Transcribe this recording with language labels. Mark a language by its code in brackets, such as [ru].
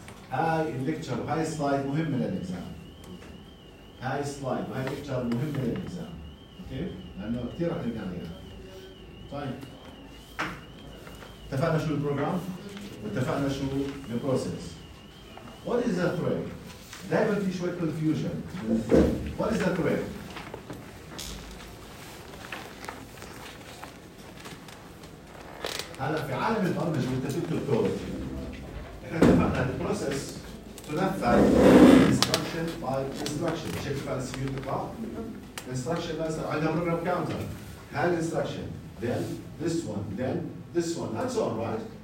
[ar] هاي الليكتشر وهاي السلايد مهمه للامتحان، هاي السلايد وهاي الليكتشر مهمه للامتحان، اوكي، لانه كثير رح نلقى عليها. طيب اتفقنا شو البروجرام واتفقنا شو البروسيس. [en] What is the trick؟ [ar] دائما في شويه confusion. [en] What is the trick؟ [ar] هلا في عالم البرمجه وانت تكتب كود احنا اتفقنا ان البروسيس تنفذ [en] instruction by instruction. [ar] شفت على السي بي يو تطلع instruction مثلا عندها بروجرام كاونتر، هاي الانستراكشن [en] then this one then this one that's all right.